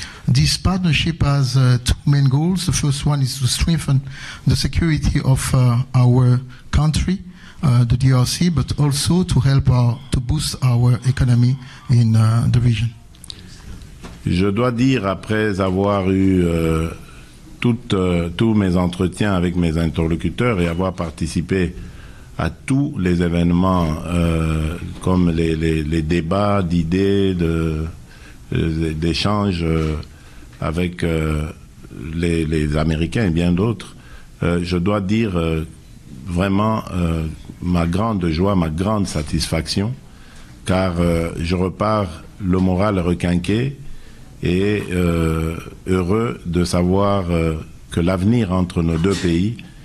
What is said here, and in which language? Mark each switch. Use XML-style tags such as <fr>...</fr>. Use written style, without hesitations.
<en>This partnership has two main goals. The first one is to strengthen the security of our country, the DRC, but also to help to boost our economy in the region.</en> <fr>Je dois dire, après avoir eu tous mes entretiens avec mes interlocuteurs et avoir participé à tous les événements comme les débats d'idées, d'échanges avec les Américains et bien d'autres, je dois dire vraiment ma grande joie, ma grande satisfaction, car je repars le moral requinqué et heureux de savoir que l'avenir entre nos deux pays</fr>